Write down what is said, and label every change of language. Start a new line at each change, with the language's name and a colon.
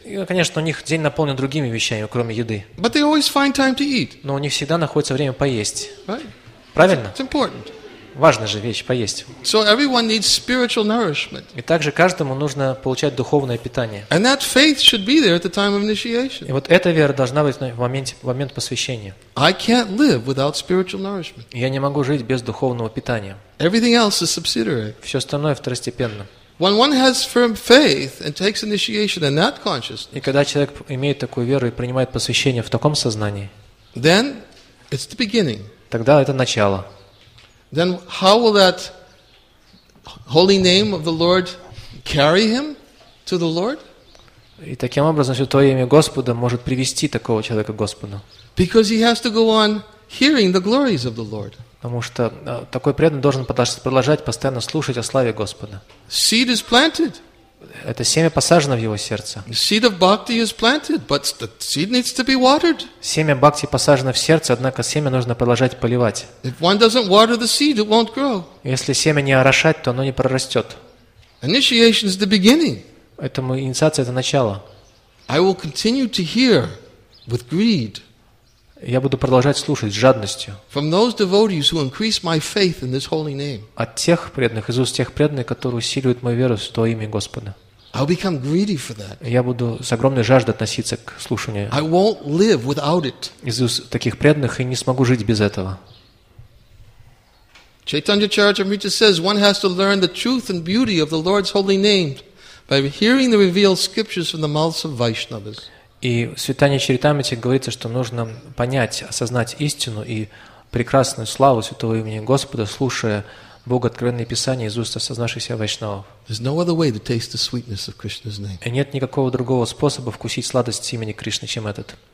Russian: И, конечно, у них день наполнен другими вещами, кроме еды.
English: But they always find time to eat.
Russian: Но у них всегда находится время поесть.
English: Right.
Russian: Правильно?
English: It's important.
Russian: Важна же вещь поесть.
English: So everyone needs spiritual nourishment.
Russian: И также каждому нужно получать духовное питание.
English: And that faith should be there at the time of initiation.
Russian: И вот эта вера должна быть в момент посвящения.
English: I can't live without spiritual nourishment.
Russian: Я не могу жить без духовного питания.
English: Everything else is subsidiary.
Russian: Все остальное второстепенно.
English: When one has firm faith and takes initiation in that consciousness.
Russian: И когда человек имеет такую веру и принимает посвящение в таком сознании.
English: Then it's the beginning.
Russian: Тогда это начало.
English: Then how will that holy name of the Lord carry him to the Lord?
Russian: И таким образом святое имя Господа может привести такого человека к Господу.
English: Because he has to go on hearing the glories of the Lord.
Russian: Потому что такой преданный должен продолжать постоянно слушать о славе Господа.
English: Seed is planted.
Russian: Это семя посажено в его сердце.
English: Seed of bhakti is planted, but the seed needs to be watered.
Russian: Семя бхакти посажено в сердце, однако семя нужно продолжать поливать.
English: If one doesn't water the seed, it won't grow.
Russian: Если семя не орошать, то оно не прорастет.
English: Initiation is the beginning.
Russian: Поэтому инициация это начало.
English: I will continue to hear with greed.
Russian: Я буду продолжать слушать с жадностью.
English: From those devotees who increase my faith in this holy name.
Russian: От тех преданных, из уст тех преданных, которые усиливают мою веру в Святое имя Господа.
English: I'll become greedy for that.
Russian: Я буду с огромной жаждой относиться к слушанию.
English: I won't live without it.
Russian: Из уст таких преданных и не смогу жить без этого.
English: Chaitanya Charitamrita says one has to learn the truth and beauty of the Lord's holy name by hearing the revealed scriptures from the mouths of Vaishnavas.
Russian: И в Святане Чаритамрите говорится, что нужно понять, осознать истину и прекрасную славу Святого имени Господа, слушая Богооткровенные Писания из уст осознавшихся вайшнавов. И нет никакого другого способа вкусить сладость имени Кришны, чем этот.